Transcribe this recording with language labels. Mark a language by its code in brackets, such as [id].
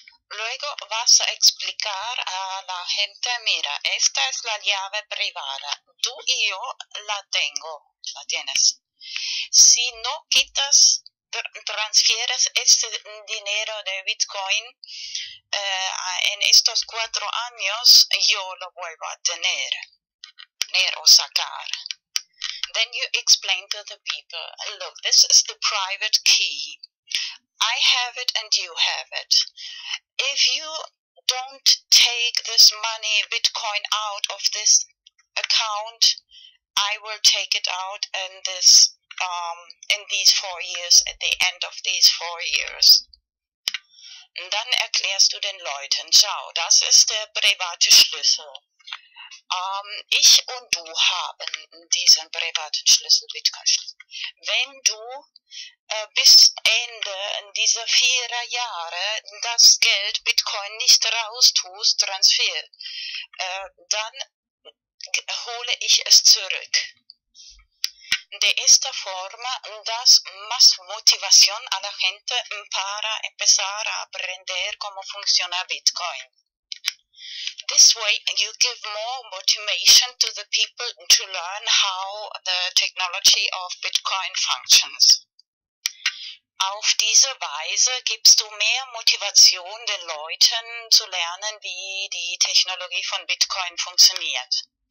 [es] Luego vas a explicar a la gente, mira, esta es la llave privada, tú y yo la tengo, la tienes. Si no quitas, transfieres este dinero de Bitcoin en estos 4 años, yo lo vuelvo a tener o sacar. [en] Then you explain to the people, look, this is the private key. I have it and you have it. If you don't take this money, Bitcoin, out of this account, I will take it out in this in these 4 years, at the end of these 4 years. [de] Und dann erklärst du den Leuten, schau, das ist der private Schlüssel. Ich und du haben diesen privaten Schlüssel, Bitcoin-Schlüssel. Wenn du bis Ende dieser 4 Jahre das Geld Bitcoin nicht raustust, Transfer, dann hole ich es zurück. [es] De esta forma das más motivación a la gente para empezar a aprender cómo funciona Bitcoin. [en] This way you give more motivation to the people to learn how the technology of Bitcoin functions. [de] Auf diese Weise gibst du mehr Motivation den Leuten zu lernen, wie die Technologie von Bitcoin funktioniert.